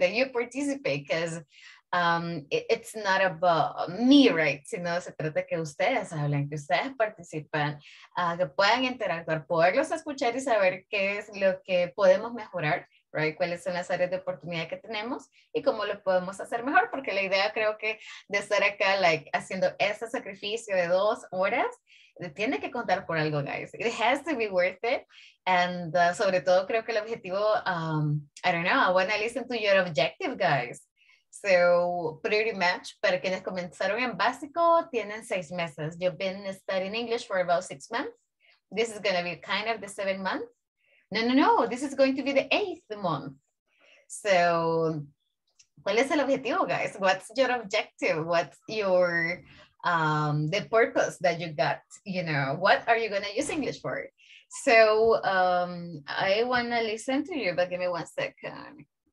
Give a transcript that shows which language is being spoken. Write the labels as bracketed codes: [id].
[en] That you participate because it's not about me, right? [es] Sino se trata que ustedes hablen, que ustedes participan, que puedan interactuar, poderlos escuchar y saber qué es lo que podemos mejorar. Right? ¿Cuáles son las áreas de oportunidad que tenemos y cómo lo podemos hacer mejor? Porque la idea creo que de estar acá like, haciendo ese sacrificio de 2 horas, tiene que contar por algo, guys. [en] It has to be worth it. And [es] sobre todo creo que el objetivo, [en] I don't know, I want to listen to your objective, guys. So pretty much, [es] para quienes comenzaron en básico, tienen 6 meses. [en] You've been studying English for about 6 months. This is going to be kind of the 7 months. No, this is going to be the 8th month. So, [es] ¿cuál es el objetivo, [en] guys? What's your objective? What's your, the purpose that you got? You know, what are you going to use English for? So, I want to listen to you, but give me 1 second.